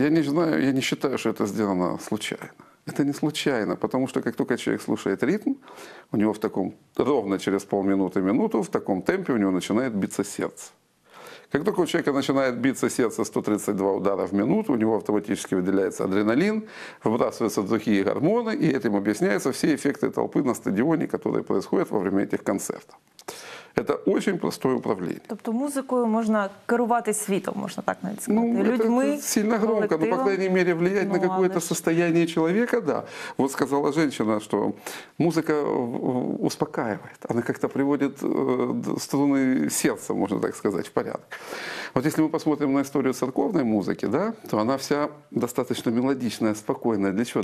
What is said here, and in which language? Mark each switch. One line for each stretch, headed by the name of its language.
Russian: Я не считаю, что это сделано случайно. Это не случайно, потому что как только человек слушает ритм, у него в таком, ровно через полминуты-минуту, в таком темпе у него начинает биться сердце. Как только у человека начинает биться сердце 132 удара в минуту, у него автоматически выделяется адреналин, выбрасываются другие гормоны, и этим объясняются все эффекты толпы на стадионе, которые происходят во время этих концертов. Это очень простое управление.
Ukrainian: Тобто музыкою можна керувати світом, можна так навіть сказати.
Russian: Людьми, это сильно громко, но, по крайней мере, влиять на какое-то состояние человека, да. Вот сказала женщина, что музыка успокаивает, она как-то приводит струны сердца, можно так сказать, в порядок. Вот если мы посмотрим на историю церковной музыки, да, то она вся достаточно мелодичная, спокойная. Для чего?